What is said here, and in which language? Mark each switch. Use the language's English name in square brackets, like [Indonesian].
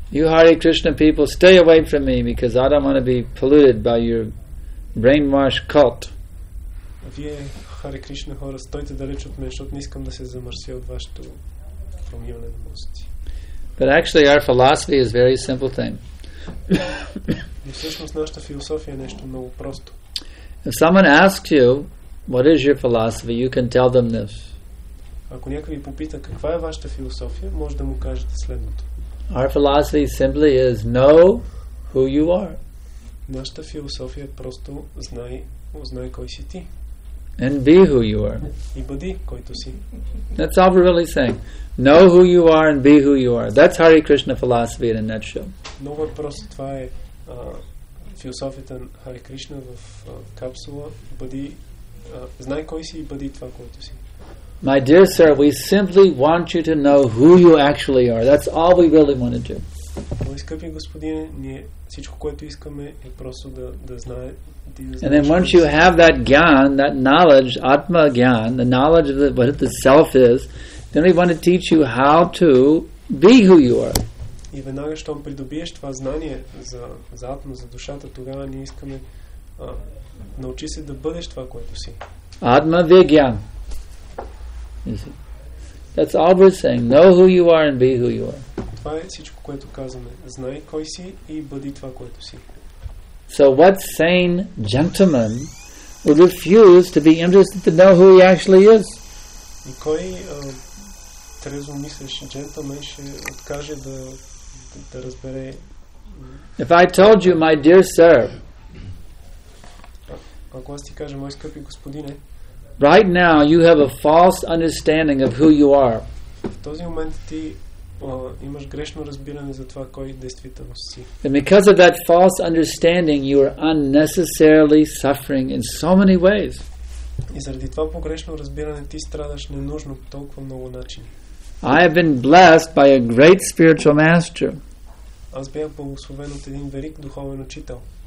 [English] You Hare Krishna people, stay away from me because I don't want to be polluted by your brainwashed cult. [Bulgarian] Вие Хари Кришна хора, стойте далеч от мен, защото не искам да се замърся от вашето промиване на мозъци. [English] But actually our philosophy is very simple thing. [Bulgarian] И всъщност нашата философия е нещо много просто. [English] If someone asks you what is your philosophy, you can tell them this. [Bulgarian] Ако някой ви попита каква е вашата философия, може да му кажете следното. [English] Our philosophy simply is know who you are. [Bulgarian] Нашата философия е просто знай кой си ти. [English] And be who you are. [Bulgarian] И бъди който си. [English] That's all we're really saying. Know who you are and be who you are. That's Hare Krishna philosophy in a nutshell. [Bulgarian] Много просто, това е философията на Хари Кришна в капсула. Бъди, знай кой си и бъди това, което си. [English] My dear sir, we simply want you to know who you actually are. That's all we really want to do. [Bulgarian] Мой скъпи господине, ние всичко, което искаме, е просто да знае. [English] And then once you have that gyan, that knowledge, atma gyan, the knowledge of what the self is, then we want to teach you how to be who you are. [Bulgarian] И веднага, щом придобиеш това знание за атма, за душата, тогава ние искаме научи се да бъдеш това, което си. Адма вигян. [English] That's all we're saying. Know who you are and be who you are. [Bulgarian] Това е всичко, което казваме. Знай кой си и бъди това, което си. [English] So what sane gentleman would refuse to be interested to know who he actually is? [Bulgarian] И кой трезво мислиш джентълмен ще откаже да разбере. [English] If I told you, my dear sir, [Bulgarian] ако аз ти кажа, мой скъпи господине, [English] right now you have a false understanding of who you are. [Bulgarian] В този момент ти имаш грешно разбиране за това кой действително си. [English] And because of that false understanding, you are unnecessarily suffering in so many ways. [Bulgarian] И заради това погрешно разбиране ти страдаш ненужно по толкова много начини. [English] I have been blessed by a great spiritual master. [Bulgarian] Аз бях благословен от един велик духовен учител.